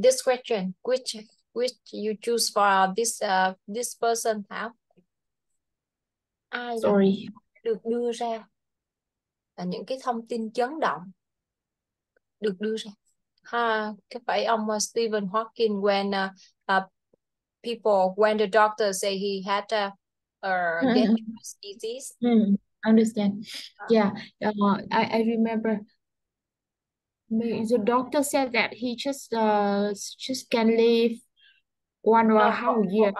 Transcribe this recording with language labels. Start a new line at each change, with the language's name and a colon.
English: This question, which you choose for this person, huh?
Vietnamese: Ai đã
English: Sorry.
Vietnamese: được đưa ra là những cái thông tin chấn động được đưa ra ha? Có phải ông
English: Stephen Hawking, when the doctor say he had a dangerous disease? Understand. Yeah, I remember. The doctor said that he just can live one or half year.